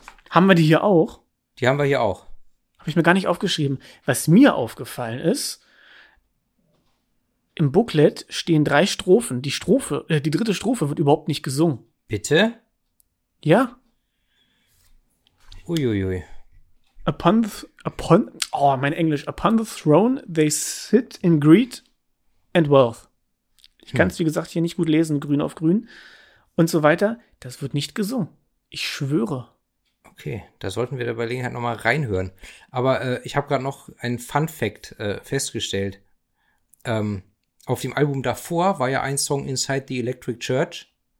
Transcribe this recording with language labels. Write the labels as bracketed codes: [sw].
[de] Haben wir die hier auch? Die haben wir hier auch. Habe ich mir gar nicht aufgeschrieben. Was mir aufgefallen ist, im Booklet stehen 3 Strophen. Die dritte Strophe wird überhaupt nicht gesungen. Bitte? Ja. Uiuiui. [en] Upon the throne, they sit in greed and wealth. [de] Ich kann es, wie gesagt, hier nicht gut lesen, grün auf grün und so weiter. Das wird nicht gesungen. Ich schwöre. Okay, da sollten wir bei Gelegenheit nochmal reinhören. Aber ich habe gerade noch einen Fun Fact festgestellt. Auf dem Album davor war ja ein Song Inside the Electric Church.